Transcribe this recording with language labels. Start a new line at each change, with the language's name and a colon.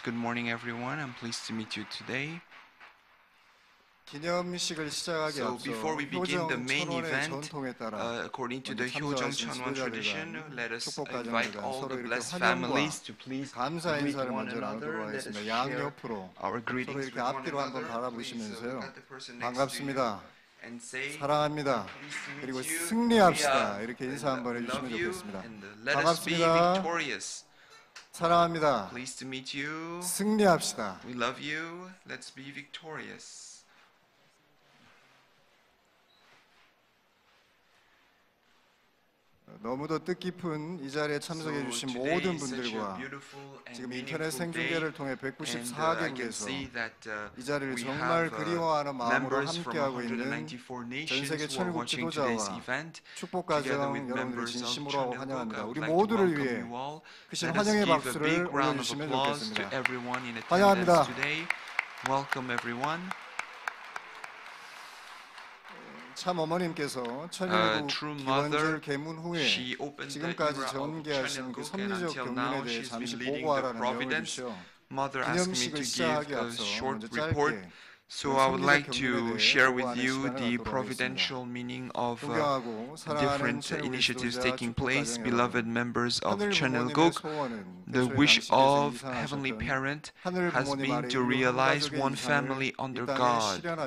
English: Good morning, everyone. I'm pleased to meet you today. So before we begin the main event, according to the Hyojong Chonwon tradition, let us invite all the blessed families to please greet one another. Let us share our greetings with one another. Please look at the person next to you and say,
Korean: "사랑합니다." 그리고 승리합시다. 이렇게 인사 한번 해주시면 좋겠습니다.
English: Let us be victorious.
Korean: 사랑합니다.
English: Pleased to meet you.
Korean: 승리합시다.
English: We love you. Let's be victorious.
Korean: 너무도 뜻깊은 이 자리에 참석해 주신 모든 분들과 지금 인터넷 생중계를 통해 194개국에서 이 자리를 정말 그리워하는 마음으로 함께하고 있는 전 세계 천국 지도자와 축복 과정 여러분들을 진심으로 환영합니다. 우리 모두를 위해 크신 환영의 박수를 올려주시면 좋겠습니다. 환영합니다.
English: Welcome everyone.
Korean: 참 어머님께서 천일국 기원절 개문 후에 지금까지 전개하신 그 섭리적 경륜에 대해 잠시 보고하라는 내용을 주시오.
English: Mother asked me to give a short report, so I would like to share with you the providential meaning of different initiatives taking place. Beloved members of Chonilgok, the wish of Heavenly Parent has been to realize one family under God.